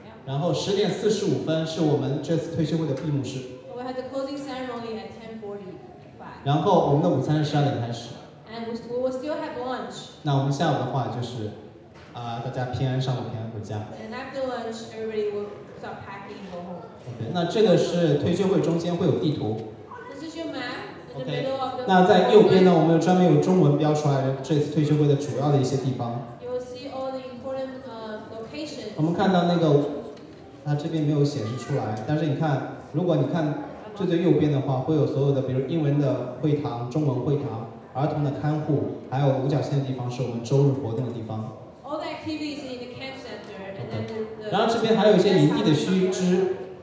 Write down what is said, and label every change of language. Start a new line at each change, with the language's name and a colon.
Chinese: 然后10:45是我们这次退休会的闭幕式。
English: We have the closing ceremony at 10:45.
Chinese: 然后我们的午餐是12点开始。
English: And we will still have lunch.
Chinese: 那我们下午的话就是，大家平安上午平安回家。
English: And after lunch, everybody will start packing and go home.
Chinese: Okay, 那这个是退休会中间会有地图。
English: Okay,
Chinese: 那在右边呢，我们有专门有中文标出来这次退休会的主要的一些地方。
English: You will see all the important locations.
Chinese: 我们看到那个，它这边没有显示出来，但是你看，如果你看最右边的话，会有所有的，比如英文的会堂、中文会堂、儿童的看护，还有五角星的地方是我们周日活动的地方。
English: All the activities in the camp center, and then the
Chinese: 然后这边还有一些营地的须知。